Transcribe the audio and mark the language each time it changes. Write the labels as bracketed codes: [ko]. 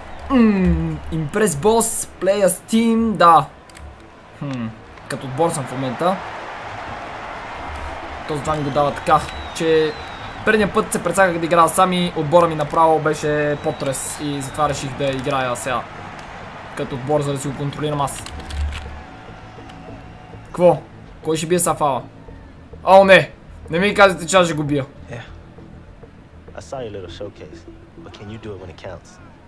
[en] Impress boss, play as team, да. [bg] Като отбор съм в момента. Този това ми го дава така, че предния път се прецаках да играя сами, отбора ми направо беше потрес и затова реших да играя сега. Като отбор, за да си го контролирам аз. Кво? Кой ще бие Сафала? О, не! Не ми казвате, че аз ще го бия. [en] Yeah. I saw your little showcase, but can you do it when it counts?